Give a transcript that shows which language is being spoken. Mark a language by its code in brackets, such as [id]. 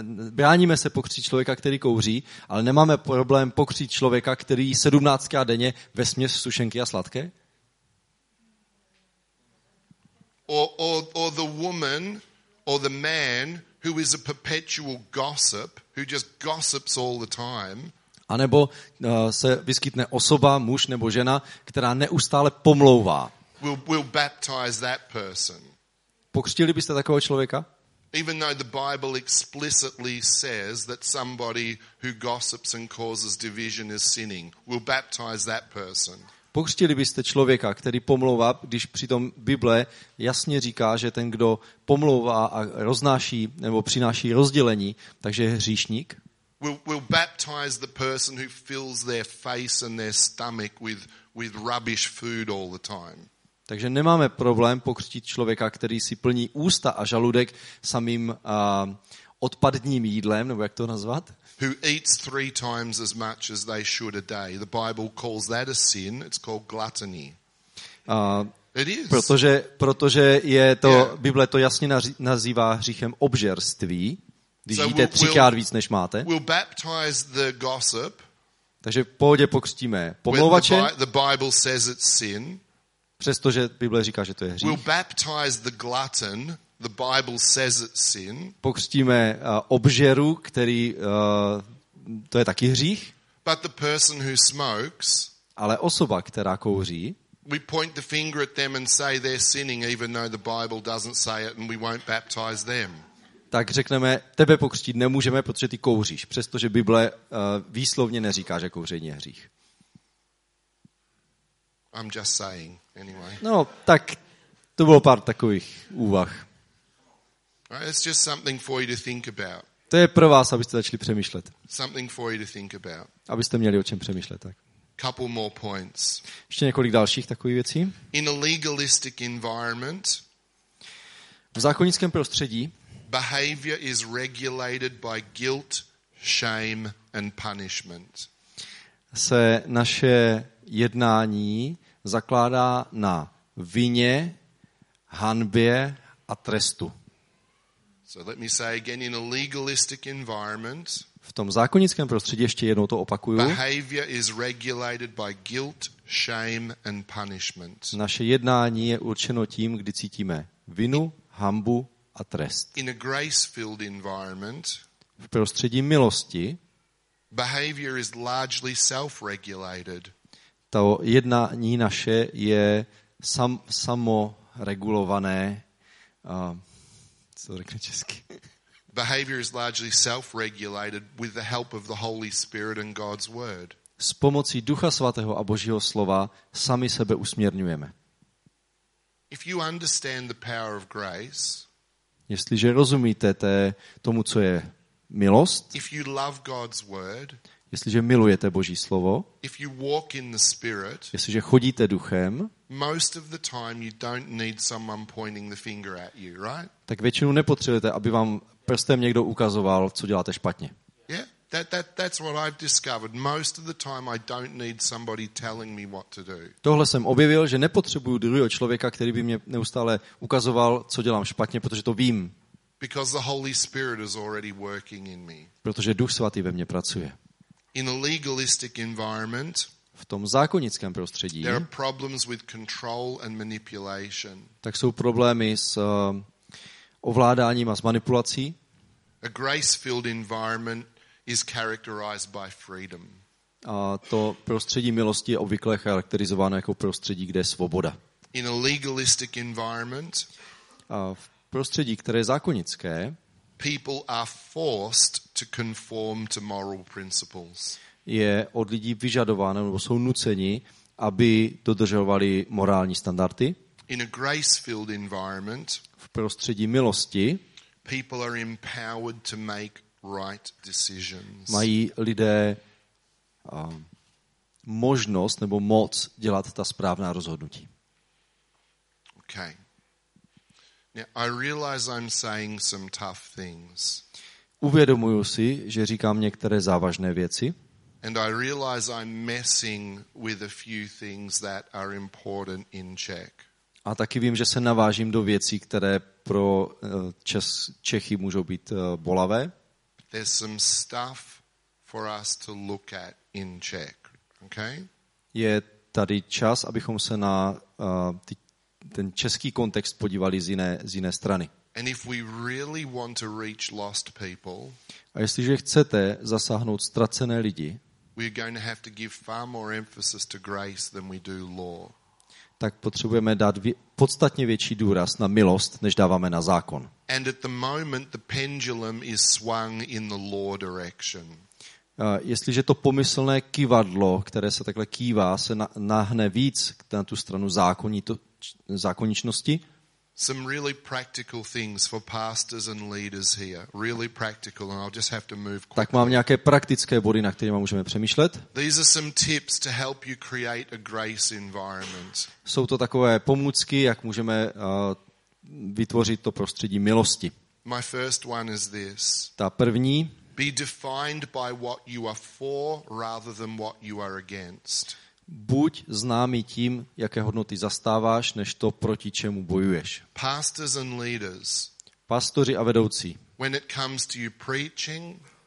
[cs] Bráníme se pokřtít člověka, který kouří, ale nemáme problém pokřtít člověka, který 17krát denně vesměs sušenky a sladké. [en] Or the woman or the man who is a perpetual gossip, who just gossips all the time. [cs] A nebo se vyskytne osoba, muž nebo žena, která neustále pomlouvá. [en] We'll baptize that person. [cs] Pokřtili byste takového člověka? [en] Even though the Bible explicitly says that somebody who gossips and causes division is sinning, we'll baptize that person. [cs] Pokřtili byste člověka, který pomlouvá, když přitom Bible jasně říká, že ten, kdo pomlouvá a roznáší nebo přináší rozdělení, takže je hříšník? [en] We'll baptize the person who fills their face and their stomach with rubbish food all the time. [cs] Takže nemáme problém pokřtit člověka, který si plní ústa a žaludek samým odpadním jídlem, nebo jak to nazvat? [en] Who eats three times as much as they should a day. The Bible calls that a sin. It's called gluttony. It is. [cs] Protože je to, [en] yeah. [cs] Bible to jasně nazývá hříchem obžerství. Když jíte třikrát víc, než máte. [en] We'll baptize the gossip. [cs] Takže v pohodě pokřtíme pomlouvače. [en] The Bible says it's sin. [cs] Přestože Bible říká, že to je hřích. [en] We'll baptize the glutton. The Bible says it's sin. [cs] Pokřtíme obžeru, který to je taky hřích. [en] But the person who smokes, [cs] ale osoba, která kouří. [en] We point the finger at them and say they're sinning even though the Bible doesn't say it and we won't baptize them. [cs] Tak řekneme, tebe pokřtít nemůžeme, protože ty kouříš, přestože Bible výslovně neříká, že kouření je hřích. [en] I'm just saying anyway. [cs] No, tak to bylo pár takových úvah. [en] Right, it's just something for you to think about. [cs] To je pro vás, abyste začali přemýšlet. [en] Something for you to think about. [cs] Abyste měli o čem přemýšlet, tak. [en] Couple more points. [cs] Ještě několik dalších takových věcí. [en] In a legalistic environment. [cs] V zákonickém prostředí. [en] Behavior is regulated by guilt, shame and punishment. [cs] Se naše jednání zakládá na vině, hanbě a trestu. [en] So let me say again, in a legalistic environment. [cs] V tom zákonickém prostředí ještě jednou to opakuju. [en] Behavior is regulated by guilt, shame and punishment. [cs] Naše jednání je určeno tím, kdy cítíme vinu, hanbu a trest. [en] In a grace-filled environment. [cs] V prostředí milosti. [en] Behavior is largely self-regulated. [cs] To jednání naše je samoregulované. Co řekne česky? [en] Behavior is largely self-regulated with the help of the Holy Spirit and God's word. [cs] S pomocí Ducha Svatého a Božího slova sami sebe usměrňujeme. [en] If you understand the power of grace, [cs] jestliže rozumíte tomu, co je milost, [en] if you love God's word, [cs] jestliže milujete Boží slovo, [en] if you walk in the Spirit, [cs] jestliže chodíte duchem, [en] most of the time you don't need someone pointing the finger at you, right? [cs] Tak většinou nepotřebujete, aby vám prstem někdo ukazoval, co děláte špatně. [en] Yeah, that's what I've discovered. Most of the time I don't need somebody telling me what to do. [cs] Tohle jsem objevil, že nepotřebuju druhého člověka, který by mě neustále ukazoval, co dělám špatně, protože to vím. [en] Because the Holy Spirit is already working in me. [cs] Protože Duch Svatý ve mně pracuje. [en] In a legalistic environment, [cs] v tom zákonickém prostředí, [en] there are problems with control and manipulation. [cs] Tak jsou problémy s ovládáním a s manipulací. [en] A grace-filled environment is characterized by freedom. [cs] A to prostředí milosti je obvykle charakterizováno jako prostředí, kde je svoboda. [en] In a legalistic environment, [cs] a v prostředí, které je zákonické, [en] people are forced to conform to moral principles. [cs] Je od lidí vyžadováno, nebo jsou nuceni, aby dodržovali morální standardy. [en] In a grace-filled environment, [cs] v prostředí milosti, [en] people are empowered to make right decisions. [cs] Mají lidé možnost nebo moc dělat ta správná rozhodnutí. [en] Okay. Now, I realize I'm saying some tough things. [cs] Uvědomuji si, že říkám některé závažné věci. [en] And I realize I'm messing with a few things that are important in Czech. [cs] A taky vím, že se navážím do věcí, které pro Čechy můžou být bolavé. [en] There's some stuff for us to look at in Czech. Okay? [cs] Je tady čas, abychom se na ten český kontext podívali z jiné strany. [en] And if we really want to reach lost people, [cs] a jestliže chcete zasáhnout ztracené lidi, [en] we're going to have to give far more emphasis to grace than we do law. [cs] Tak potřebujeme dát podstatně větší důraz na milost, než dáváme na zákon. [en] And at the moment the pendulum is swung in the law direction. [cs] Jestliže to pomyslné kivadlo, které se takhle kývá, se nahne víc na tu stranu zákonničnosti. [en] Some really practical things for pastors and leaders here. Really practical, and I'll just have to move quickly. [cs] Tak mám nějaké praktické body, na které můžeme přemýšlet. [en] These are some tips to help you create a grace environment. [cs] Jsou to takové pomůcky, jak můžeme vytvořit to prostředí milosti. [en] My first one is this. [cs] Ta první. [en] Be defined by what you are for rather than what you are against. [cs] Buď známý tím, jaké hodnoty zastáváš, než to, proti čemu bojuješ. [en] Pastors and leaders. [cs] Pastoři a vedoucí. [en] When it comes to you preaching,